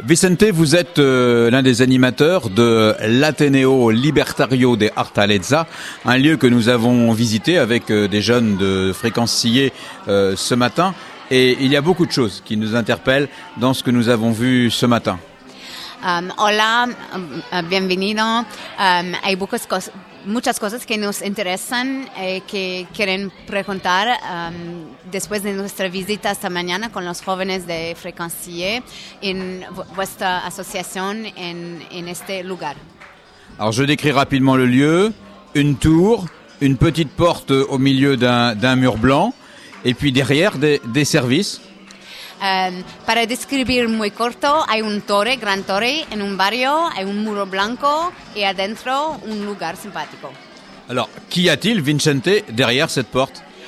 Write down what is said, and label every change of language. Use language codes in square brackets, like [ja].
[fr] Vicente, vous êtes l'un des animateurs de l'Ateneo Libertario de Artaleza, un lieu que nous avons visité avec des jeunes de Fréquence Sillé ce matin. Et il y a beaucoup de choses qui nous interpellent dans ce que nous avons vu ce matin. [es] Hola, bienvenido. Hay [fr] beaucoup de choses. [es] Muchas cosas que nos interesan y que quieren preguntar después de nuestra visita esta mañana con los jóvenes de Fréquence en vuestra asociación en este lugar. [fr] Alors je décris rapidement le lieu, une tour, une petite porte au milieu d'un mur blanc et puis derrière des services. [es] Para describir muy corto, hay un torre, gran torre, en un barrio, hay un muro blanco y adentro un lugar simpático. [fr] Alors, qui a-t-il, Vicente, derrière cette porte?